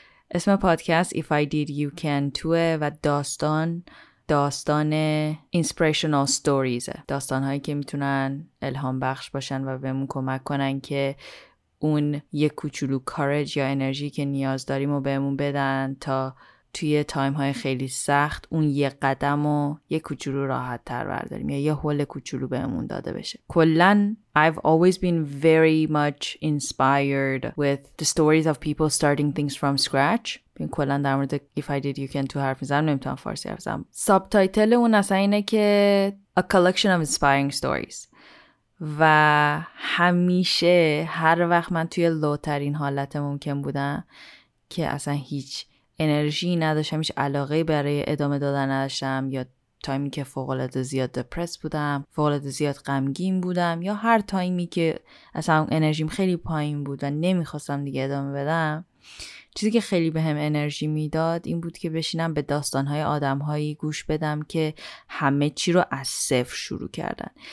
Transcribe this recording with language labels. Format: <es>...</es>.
<fa>اسم پادکست If I Did You Can Too و داستان</fa> <en>inspirational stories،</en> <fa>داستان هایی که میتونن الهام بخش باشن و بهمون کمک کنن که اون یک کوچولو کارج یا انرژی که نیاز داریم رو بهمون بدن تا توی تایم های خیلی سخت اون یه قدم رو یک کوچولو راحت تر برداریم یا یه حل کوچولو بهمون داده بشه. کلن</fa> <en>I've always been very much inspired with the stories of people starting things from scratch.</en> <fa>بین کلن در مورد If I Did You Can Too حرف میزنم، نمیتونم فارسی حرف زنم. سابتایتل اون اصلا اینه که</fa> <en>A Collection of Inspiring Stories.</en> <fa>و همیشه هر وقت من توی لوترین حالت ممکن بودم که اصلا هیچ انرژی نداشتم، هیچ علاقه برای ادامه دادن نداشتم، یا تایمی که فوق‌العاده زیاد دپرس بودم، فوق‌العاده زیاد غمگین بودم، یا هر تایمی که اصلا انرژیم خیلی پایین بود و نمیخواستم دیگه ادامه بدم، چیزی که خیلی به هم انرژی میداد این بود که بشینم به داستانهای آدمهایی گوش بدم که همه چی رو از صفر شروع کردن.</fa>